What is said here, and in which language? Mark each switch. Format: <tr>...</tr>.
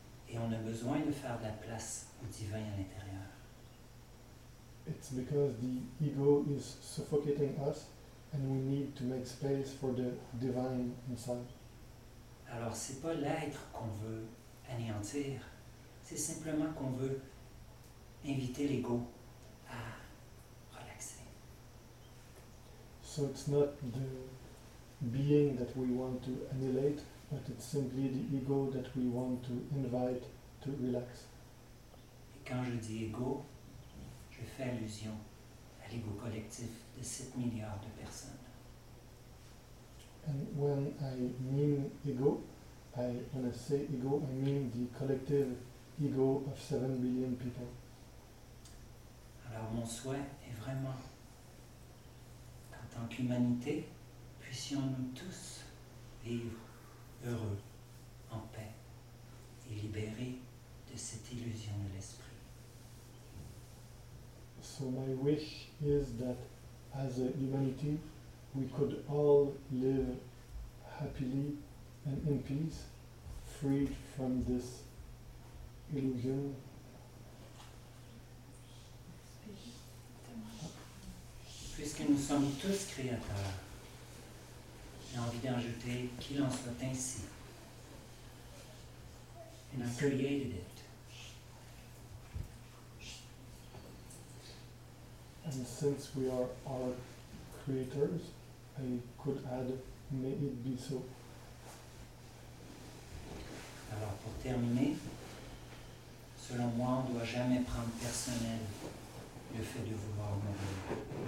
<fr>Et on a besoin de faire de la place au divin à l'intérieur.</fr> <en>it's because the ego is suffocating us and we need to make space for the divine inside.</en> <fr>Alors, c'est pas l'être qu'on veut anéantir, c'est simplement qu'on veut inviter l'ego à</fr> <en>So it's not the being that we want to annihilate, but it's simply the ego that we want to invite to relax.</en> <fr>Quand je dis ego, je fais allusion à l'ego collectif de 7 milliards de personnes.</fr> <en>And when I mean ego, when I say ego, I mean the collective ego of 7 billion people.</en> <fr>Alors mon souhait est vraiment qu'en tant qu'humanité, puissions-nous tous vivre heureux, en paix et libérés de cette illusion de l'esprit.</fr> <en>So my wish is that as a humanity, we could all live happily and in peace, freed from this illusion.</en> <fr>Puisque nous sommes tous créateurs, j'ai envie d'ajouter qu'il en soit ainsi.</fr> <en>And I created it. And since we are our creators, I could add, may it be so.</en> <fr>Alors pour terminer, selon moi, on ne doit jamais prendre personnel le fait de vouloir mourir.</fr>